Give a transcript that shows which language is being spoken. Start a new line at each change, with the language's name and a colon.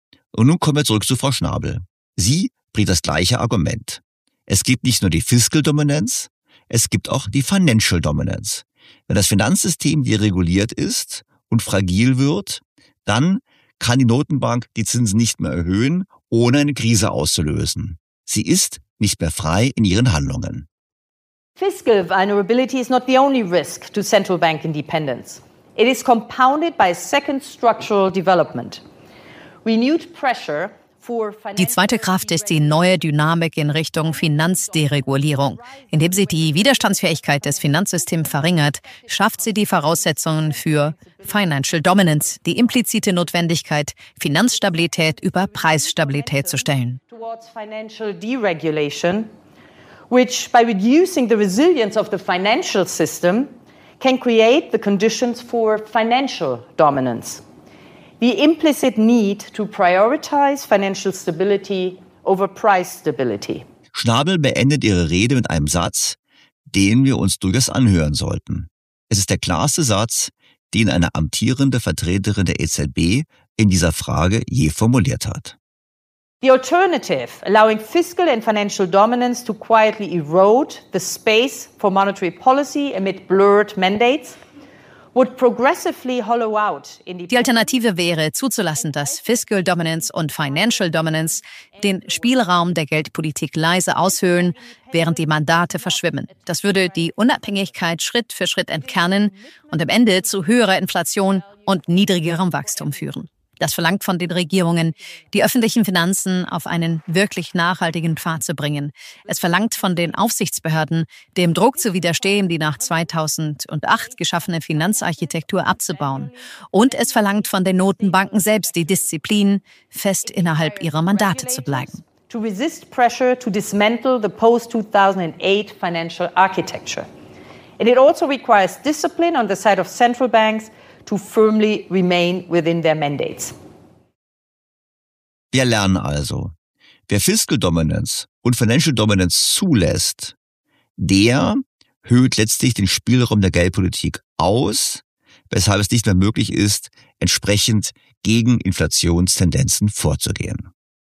German: Und nun kommen wir zurück zu Frau Schnabel. Sie bringt das gleiche Argument. Es gibt nicht nur die Fiscal Dominance, es gibt auch die Financial Dominance. Wenn das Finanzsystem dereguliert ist und fragil wird, dann kann die Notenbank die Zinsen nicht mehr erhöhen, ohne eine Krise auszulösen. Sie ist nicht mehr frei in ihren Handlungen.
English: Fiscal vulnerability is not the only risk to central bank independence. It is compounded by a second structural development. Renewed pressure.
German: Die zweite Kraft ist die neue Dynamik in Richtung Finanzderegulierung. Indem sie die Widerstandsfähigkeit des Finanzsystems verringert, schafft sie die Voraussetzungen für Financial Dominance, die implizite Notwendigkeit, Finanzstabilität über Preisstabilität zu stellen.
English: Towards financial deregulation, which by reducing the resilience of the financial system can create the conditions for financial dominance. The implicit need to prioritize financial stability over price stability.
German: Schnabel beendet ihre Rede mit einem Satz, den wir uns durchaus anhören sollten. Es ist der klarste Satz, den eine amtierende Vertreterin der EZB in dieser Frage je formuliert hat.
English: The alternative, allowing fiscal and financial dominance to quietly erode the space for monetary policy amid blurred mandates, would progressively hollow out in
German: die Alternative wäre, zuzulassen, dass Fiscal Dominance und Financial Dominance den Spielraum der Geldpolitik leise aushöhlen, während die Mandate verschwimmen. Das würde die Unabhängigkeit Schritt für Schritt entkernen und am Ende zu höherer Inflation und niedrigerem Wachstum führen. Das verlangt von den Regierungen, die öffentlichen Finanzen auf einen wirklich nachhaltigen Pfad zu bringen. Es verlangt von den Aufsichtsbehörden, dem Druck zu widerstehen, die nach 2008 geschaffene Finanzarchitektur abzubauen. Und es verlangt von den Notenbanken selbst die Disziplin, fest innerhalb ihrer Mandate zu bleiben.
English: To resist pressure to dismantle the post-2008 financial architecture. And it also requires discipline on the side of central banks, to firmly remain within their mandates.
German: Wir lernen also, wer Fiscal Dominance und Financial Dominance zulässt, der höhlt letztlich den Spielraum der Geldpolitik aus, weshalb es nicht mehr möglich ist, entsprechend gegen Inflationstendenzen vorzugehen.